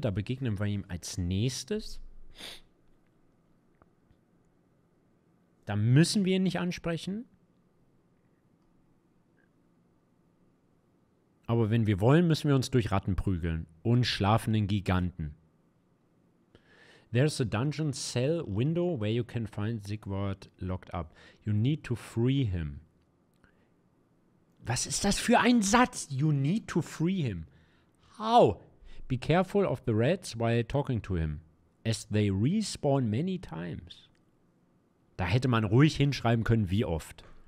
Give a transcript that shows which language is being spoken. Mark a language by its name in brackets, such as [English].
[German] Da begegnen wir ihm als nächstes. Da müssen wir ihn nicht ansprechen. Aber wenn wir wollen, müssen wir uns durch Ratten prügeln. Und schlafenden Giganten. [English] There's a dungeon cell window where you can find Sigvard locked up. You need to free him. [German] Was ist das für ein Satz? [English] You need to free him. How? Be careful of the rats while talking to him, as they respawn many times. [German] Da hätte man ruhig hinschreiben können, wie oft.